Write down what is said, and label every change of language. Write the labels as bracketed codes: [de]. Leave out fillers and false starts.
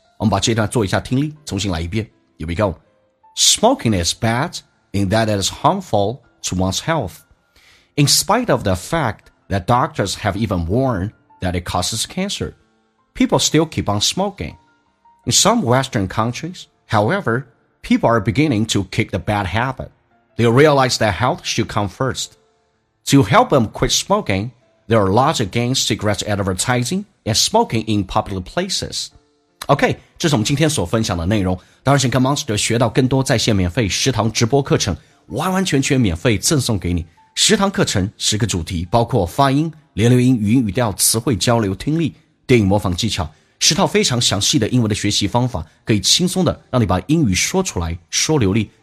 [zh] 我们把这段做一下听力，重新来一遍。 [en] Here we go。 Smoking is bad in that it is harmful to one's health, in spite of the fact that doctors have even warned that it causes cancer, people still keep on smoking. In some western countriesHowever, people are beginning to kick the bad habit. They realize that health should come first. To help them quit smoking, there are laws against cigarette advertising and smoking in public places. [zh] OK, 这是我们今天所分享的内容。当然请跟 Monster 学到更多在线免费食堂直播课程，完完全全免费赠送给你。食堂课程十个主题，包括发音、连留音、语音语调、词汇交流、听力、电影模仿技巧，十套非常详细的英文的学习方法，可以轻松的让你把英语说出来说流利。